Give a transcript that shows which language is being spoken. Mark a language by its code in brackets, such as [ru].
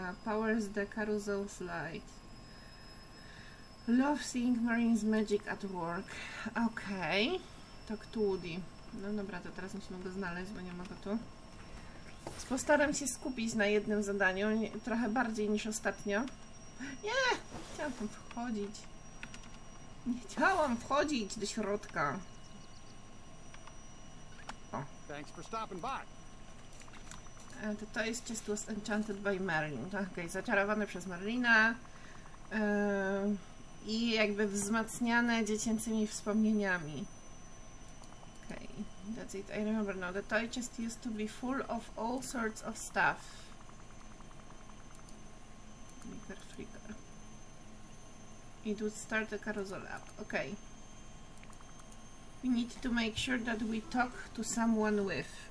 [en] Powers the carousel's light. Love seeing Marine's magic at work. [pl] Okej. To Cthulhu. No dobra, to teraz musimy go znaleźć, bo nie ma go tu. Postaram się skupić na jednym zadaniu, trochę bardziej niż ostatnio. Nie! Chciałam tam wchodzić. Nie chciałam wchodzić do środka. [en] O. Thanks for stopping by. To jest chest was enchanted by Merlin. [pl] Okej, zaczarowany przez Merlina. I jakby wzmacniane dziecięcymi wspomnieniami. [en] Okej, that's it. I remember now. The toy chest used to be full of all sorts of stuff. Flicker, flicker. It would start the carousel up. Okej. We need to make sure that we talk to someone with.